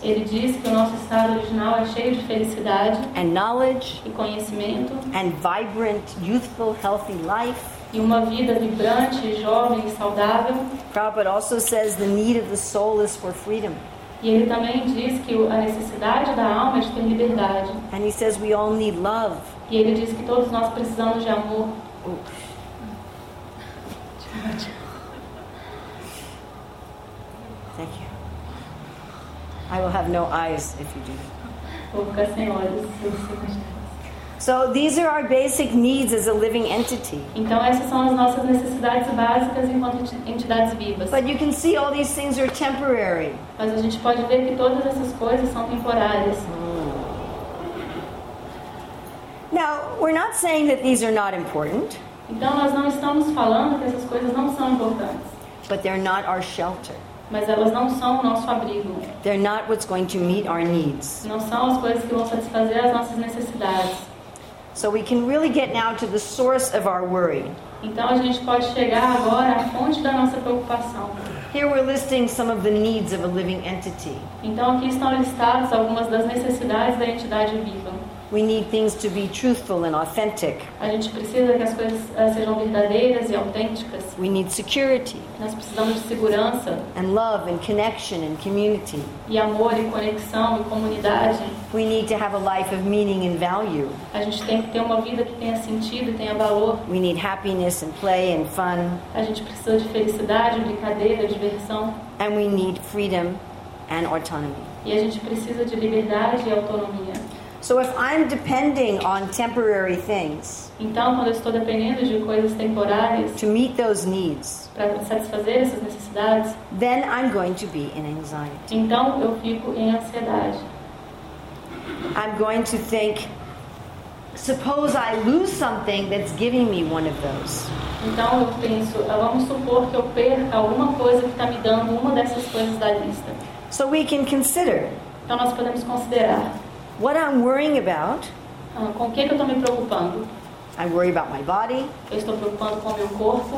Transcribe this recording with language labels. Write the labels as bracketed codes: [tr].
[pt] Ele diz que o nosso estado original é cheio de felicidade. [en] And knowledge. [pt] E conhecimento. [en] And vibrant, youthful, healthy life. [pt] E uma vida vibrante, jovem e saudável. [en] Prabhupada also says the need of the soul is for freedom. [pt] E ele também diz que a necessidade da alma é de ter liberdade. [en] And he says we all need love. [pt] E ele diz que todos nós precisamos de amor. [en] Thank you. I will have no eyes if you do. So these are our basic needs as a living entity. [pt] Então essas são as nossas necessidades básicas enquanto entidades vivas. [en] But you can see all these things are temporary. [pt] Mas a gente pode ver que todas essas coisas são temporárias. [en] Now, we're not saying that these are not important. [pt] Então, nós não estamos falando que essas coisas não são importantes. [en] But they're not our shelter. [pt] Mas elas não são o nosso abrigo. [en] They're not what's going to meet our needs. [pt] Não são as coisas que vão satisfazer as nossas necessidades. [en] So we can really get now to the source of our worry. [pt] Então, a gente pode chegar agora à fonte da nossa preocupação. [en] Here we're listing some of the needs of a living entity. [pt] Então, aqui estão listadas algumas das necessidades da entidade viva. [en] We need things to be truthful and authentic. [pt] A gente precisa que as coisas sejam verdadeiras e autênticas. [en] We need security. [pt] Nós precisamos de segurança. [en] And love and connection and community. [pt] E amor e conexão e comunidade. [en] We need to have a life of meaning and value. [pt] A gente tem que ter uma vida que tenha sentido e tenha valor. [en] We need happiness and play and fun. [pt] A gente precisa de felicidade, brincadeira, diversão. [en] And we need freedom and autonomy. [pt] E a gente precisa de liberdade e autonomia. [en] So if I'm depending on temporary things, [pt] então, quando eu estou dependendo de coisas temporárias, [en] to meet those needs, [pt] para satisfazer essas necessidades, [en] then I'm going to be in anxiety. [pt] Então, eu fico em ansiedade. [en] I'm going to think, suppose I lose something that's giving me one of those. [pt] Então, eu penso, vamos supor que eu perca alguma coisa que está me dando uma dessas coisas da lista. [en] So we can consider. [pt] Então, nós podemos considerar. [en] What I'm worrying about, [pt] com que eu tô me preocupando? [en] I worry about my body. [pt] Eu estou preocupado com meu corpo.